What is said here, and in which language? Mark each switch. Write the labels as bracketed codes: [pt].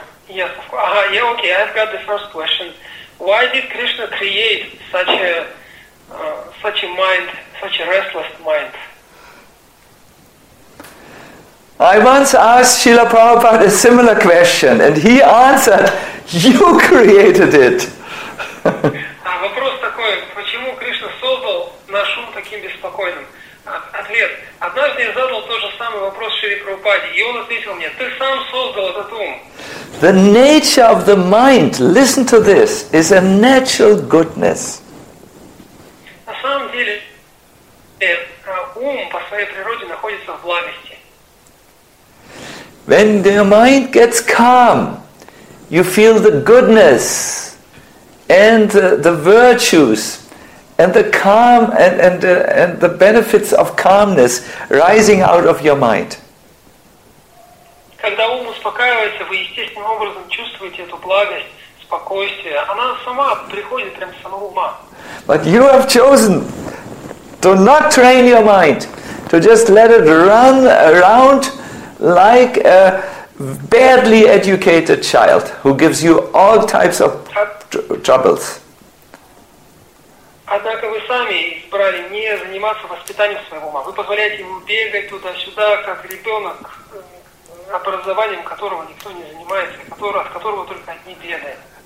[en] Okay, I've got the first question. Why did Krishna create such a mind, such a restless mind? I once asked Srila Prabhupada a similar question, and he answered, "You created it." [ru] Вопрос такой: почему Кришна создал наш ум таким беспокойным? Ответ: однажды я задал тот же самый вопрос Шри Прабхупаде, и он ответил мне: ты сам создал этот ум. [en] The nature of the mind, listen to this, is a natural goodness. [ru] На самом деле, ум по своей природе находится в благости. [en] When the mind gets calm, you feel the goodness and the virtues and the calm and the benefits of calmness rising out of your mind. [ru] Когда ум успокаивается, вы естественным образом чувствуете эту благость, спокойствие. Она сама приходит прямо с самого ума. [en] But you have chosen to not train your mind, to just let it run around like a badly educated child who gives you all types of troubles. [ru] Однако вы сами избрали не заниматься воспитанием своего ума. Вы позволяете ему бегать туда-сюда, как ребенок, образованием которого никто не занимается, от которого только одни беды.